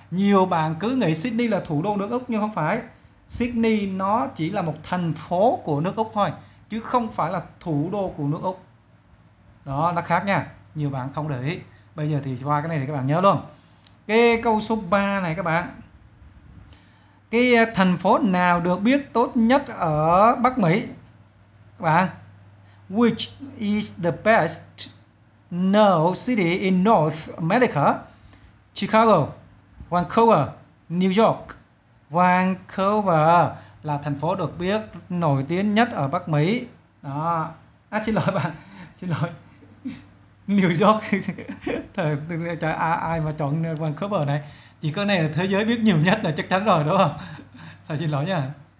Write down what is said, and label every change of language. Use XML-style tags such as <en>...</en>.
<vi>Nhiều bạn cứ nghĩ Sydney là thủ đô nước Úc nhưng không phải. Sydney nó chỉ là một thành phố của nước Úc thôi, chứ không phải là thủ đô của nước Úc. Đó, nó khác nha. Nhiều bạn không để ý. Bây giờ thì qua cái này thì các bạn nhớ luôn. Cái câu số 3 này các bạn. Cái thành phố nào được biết tốt nhất ở Bắc Mỹ? Các bạn.</vi> <en>Which is the best known city in North America? Chicago, Vancouver, New York.</en> <vi>Vancouver là thành phố được biết nổi tiếng nhất ở Bắc Mỹ. Đó. À, xin lỗi bạn. Xin lỗi. New York. Thời ai mà chọn Vancouver này? Chỉ có này là thế giới biết nhiều nhất là chắc chắn rồi đúng không? Thầy xin lỗi nha.</vi>